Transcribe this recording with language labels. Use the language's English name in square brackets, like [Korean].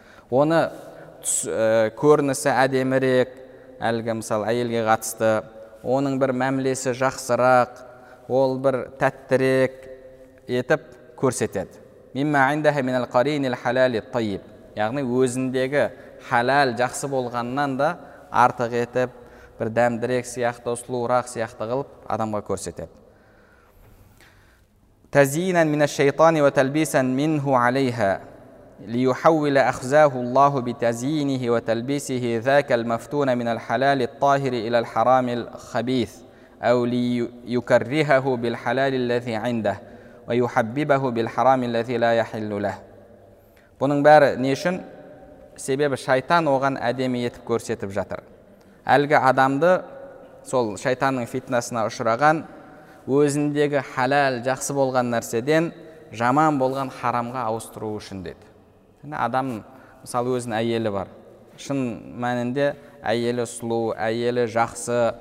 [Kazakh] Оны көрінісі әдемірек, әлгі мысал әйелге қатысты, оның бір мәмілесі жақсырақ, ол бір тәттірек етіп көрсетеді. [Arabic] Мимма индаха мин аль-қарийни аль-халали ат-тайиб. [Kazakh] Яғни өзіндегі халал жақсы болғаннан да артық етіп, бір дәмдірек сияқты, сұлурақ сияқты қылып адамға көрсетеді. [Arabic] تزيينا من الشيطان وتلبيسا منه عليها ليحول أخزاه الله بتزيينه وتلبيسه ذاك المفتون من الحلال الطاهر إلى الحرام الخبيث أو ليكرهه بالحلال الذي عنده ويحببه بالحرام الذي لا يحل له. [Kazakh] Бұның бәрі не үшін? Себебі шайтан оған әдемі етіп көрсетіп жатыр. Әлгі адамды сол шайтанның фитнасына ұшыраған өзіндегі халал жақсы болған нәрседен жаман болған харамға ауыстыру үшін деді. Яғни адам мысалы өзінің әйелі бар. Шын мәнінде әйелі сұлу, әйелі жақсы.